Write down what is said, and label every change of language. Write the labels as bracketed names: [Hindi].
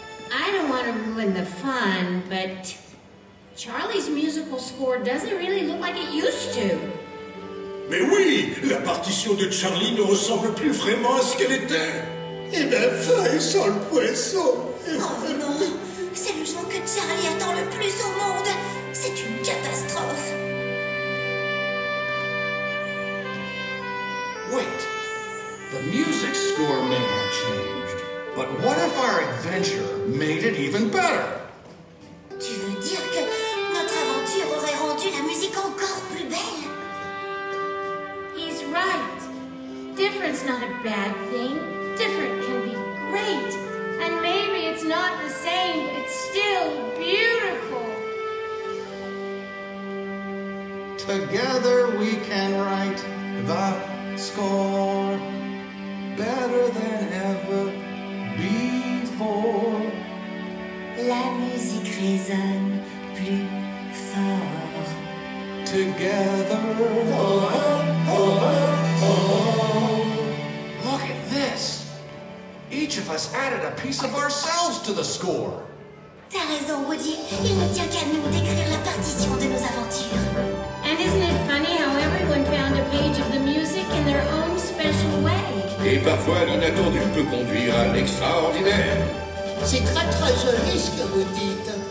[English] I don't want to ruin the fun, but Charlie's musical score doesn't really look like it used to. [French] Mais oui! La partition de Charlie ne ressemble plus vraiment à ce qu'elle était. Et ben, feuille sans le poisson! Oh non! C'est le jour que Charlie attend le plus au monde! C'est une catastrophe! [English] Wait! The music score may have changed, but what if our adventure made it even better? [French] Tu veux dire que notre aventure aurait rendu la musique encore plus belle? [English] He's right. Different's not a bad thing. Different can be great. And maybe it's not the same, but it's still beautiful. Together we can write the score better than ever before. [French] La musique résonne plus fort. [English] Together. Look at this. Each of us added a piece of ourselves to the score. [French] T'as raison, Woody. Il ne tient qu'à nous d'écrire la partition de nos aventures. [English] And isn't it funny how everyone found a page of the music in their own special way? [French] Et parfois, l'inattendu peut conduire à l'extraordinaire. C'est très très joli ce que vous dites.